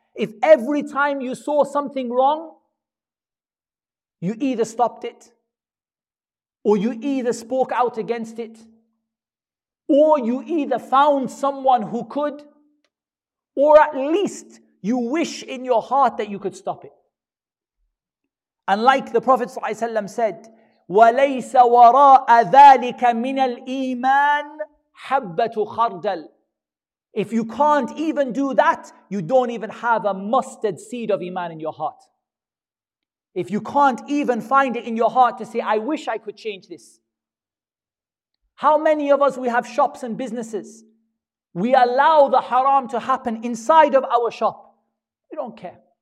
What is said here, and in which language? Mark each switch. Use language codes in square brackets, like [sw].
[en] If every time you saw something wrong, you either stopped it, or you either spoke out against it, or you either found someone who could, or at least you wish in your heart that you could stop it. [ar] And like the Prophet ﷺ said, وَلَيْسَ وَرَاءَ ذَٰلِكَ مِنَ الْإِيمَانِ حَبَّةُ خَرْدَلِ. [en] If you can't even do that, you don't even have a mustard seed of iman in your heart. If you can't even find it in your heart to say, I wish I could change this. How many of us, we have shops and businesses, we allow the haram to happen inside of our shop. We don't care.